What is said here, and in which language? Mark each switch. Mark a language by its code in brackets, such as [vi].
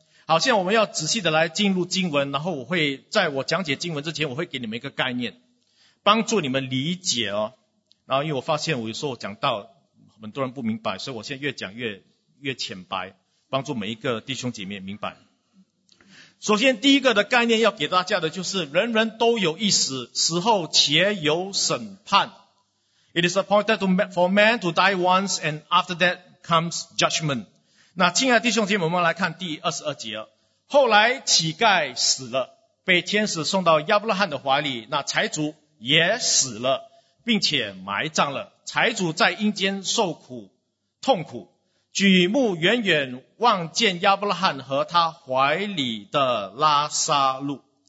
[zh] 好，现在我们要仔细的来进入经文，然后我会在我讲解经文之前，我会给你们一个概念，帮助你们理解哦。然后因为我发现我有时候讲到很多人不明白，所以我现在越讲越浅白，帮助每一个弟兄姐妹明白。首先第一个的概念要给大家的就是，人人都有一死，死后且有审判。 [en] It is appointed for man to die once and after that comes judgment。 [zh] 那亲爱的弟兄姐妹，我们来看第22节。后来乞丐死了，被天使送到亚伯拉罕的怀里，那财主也死了并且埋葬了，财主在阴间受苦痛苦，举目远远望见亚伯拉罕和他怀里的拉撒路。